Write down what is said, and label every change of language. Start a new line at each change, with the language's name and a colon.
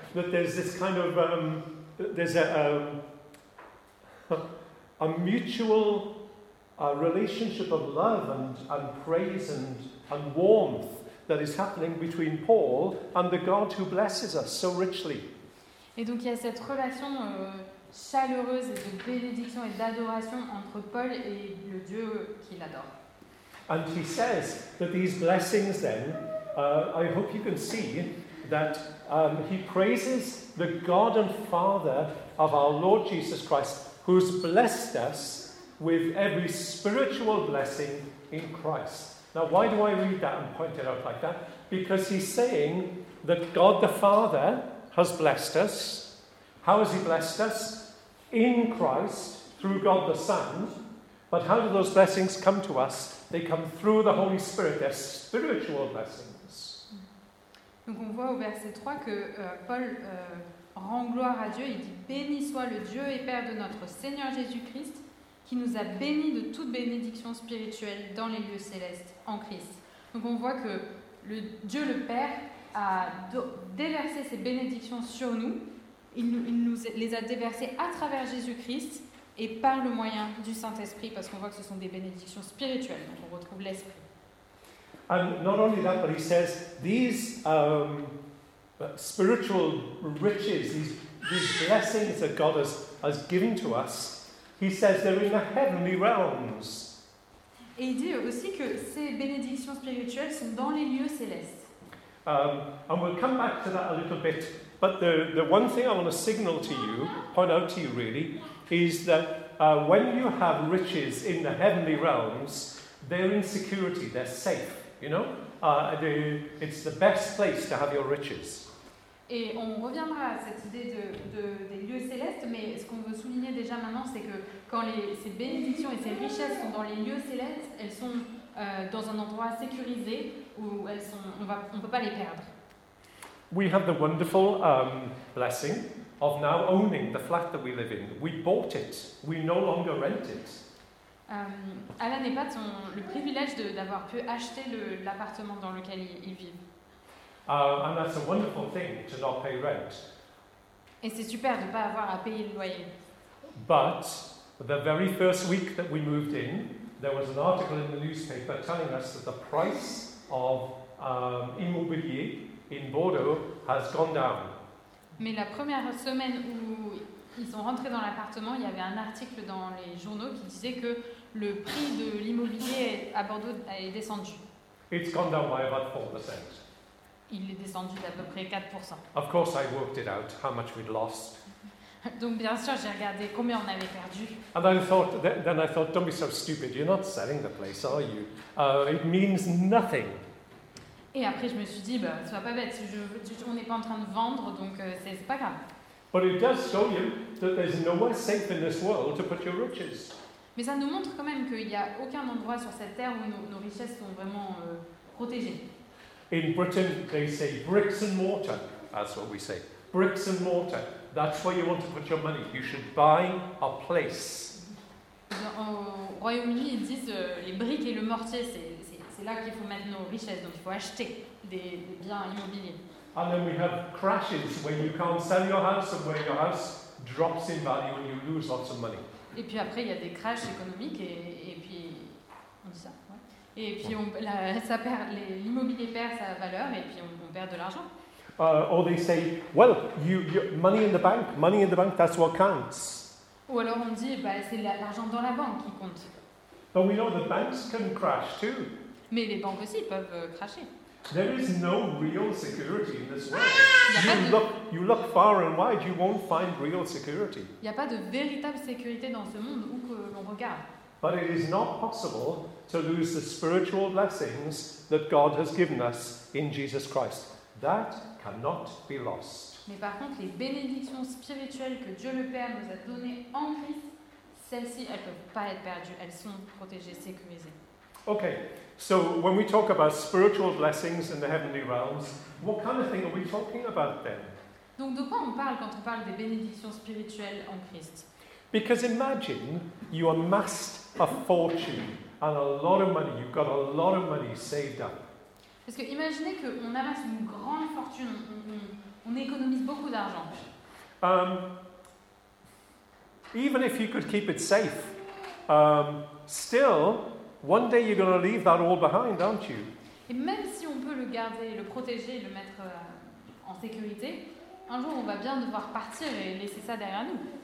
English: That there's this kind of there's a mutual a relationship of love and praise and warmth that is happening between Paul and the God who blesses us so richly.
French: Et donc il y a cette relation chaleureuse de bénédiction et d'adoration entre Paul et le Dieu qu'il adore.
English: And he says that these blessings then, I hope you can see that he praises the God and Father of our Lord Jesus Christ who's blessed us with every spiritual blessing in Christ. Now, why do I read that and point it out like that? Because he's saying that God the Father has blessed us. How has he blessed us? In Christ, through God the Son. But how do those blessings come to us? They come through the Holy Spirit. They're spiritual blessings.
French: Donc on voit au verset 3 que Paul rend gloire à Dieu. Il dit, béni soit le Dieu et Père de notre Seigneur Jésus-Christ, qui nous a bénis de toute bénédiction spirituelle dans les lieux célestes, en Christ. Donc on voit que le Dieu le Père a déversé ses bénédictions sur nous, il nous les a déversées à travers Jésus-Christ et par le moyen du Saint-Esprit, parce qu'on voit que ce sont des bénédictions spirituelles, donc on retrouve l'Esprit.
English: And not only that, but he says, these spiritual riches, these blessings that God has given to us, he says they're in the heavenly realms.
French: Et il dit aussi que ces bénédictions spirituelles sont dans les lieux célestes.
English: And we'll come back to that a little bit. But the one thing I want to signal to you, point out to you really, is that when you have riches in the heavenly realms, they're in security, they're safe, you know? It's the best place to have your riches.
French: Et on reviendra à cette idée des lieux célestes, mais ce qu'on veut souligner déjà maintenant, c'est que quand ces bénédictions et ces richesses sont dans les lieux célestes, elles sont dans un endroit sécurisé où elles sont, on ne peut pas les perdre.
English: We have the wonderful blessing of now owning the flat that we live in. We bought it. We no longer rent it.
French: Alan et Pat ont le privilège d'avoir pu acheter l'appartement dans lequel ils vivent.
English: And that's a wonderful thing to not pay rent.
French: Et c'est super de pas avoir à payer le loyer.
English: But the very first week that we moved in, there was an article in the newspaper telling us that the price of immobilier in Bordeaux has gone down.
French: Mais la première semaine où ils sont rentrés dans l'appartement, il y avait un article dans les journaux qui disait que le prix de l'immobilier à Bordeaux est descendu.
English: It's gone down by about 4%.
French: Il est descendu d'à peu près 4%.
English: Of course, I worked it out how much we'd lost.
French: Donc bien sûr, j'ai regardé combien on avait perdu.
English: And I thought, then I thought, don't be so stupid. You're not selling the place, are you? It means nothing.
French: Et après, je me suis dit, bah, sois pas bête. On n'est pas en train de vendre, donc c'est pas grave.
English: But it does show you that there's nowhere safe in this world to put your riches.
French: Mais ça nous montre quand même qu'il n'y a aucun endroit sur cette terre où nos richesses sont vraiment protégées.
English: In Britain, they say bricks and mortar. That's what we say. Bricks and mortar. That's where you want to put your money. You should buy a place.
French: Au Royaume-Uni, ils disent les briques et le mortier, c'est là qu'il faut mettre nos richesses. Donc il faut acheter des biens immobiliers.
English: And then we have crashes where you can't sell your house and where your house drops in value and you lose lots of money.
French: Et puis après, il y a des crashes économiques et puis on dit ça. Ouais. Et puis l'immobilier perd sa valeur et puis on perd de l'argent.
English: Or they say, well, you money in the bank, that's what counts.
French: Ou alors on dit, bah, c'est l'argent dans la banque qui compte.
English: But we know the banks can crash too.
French: Mais les banques aussi peuvent crasher.
English: There is no real security in this world. You look far and wide, you won't find real security.
French: Il n'y a pas de véritable sécurité dans ce monde où que l'on regarde.
English: But it is not possible to lose the spiritual blessings that God has given us in Jesus Christ. That cannot be lost.
French: Mais par contre, les bénédictions spirituelles que Dieu le Père nous a données en Christ, celles-ci, elles ne peuvent pas être perdues. Elles sont protégées, sécurisées.
English: Okay. So when we talk about spiritual blessings in the heavenly realms, what kind of thing are we talking about then?
French: Donc de quoi on parle quand on parle des bénédictions spirituelles en Christ?
English: Because imagine you amassed a fortune and a lot of money. You've got a lot of money saved up.
French: Parce que imaginez que on amasse une grande fortune, on économise beaucoup d'argent.
English: Even if you could keep it safe, still. One day you're going to leave that all behind, aren't you?
French: Et même si on peut le garder, le protéger, le mettre en sécurité, un jour on va bien devoir partir et laisser ça derrière nous.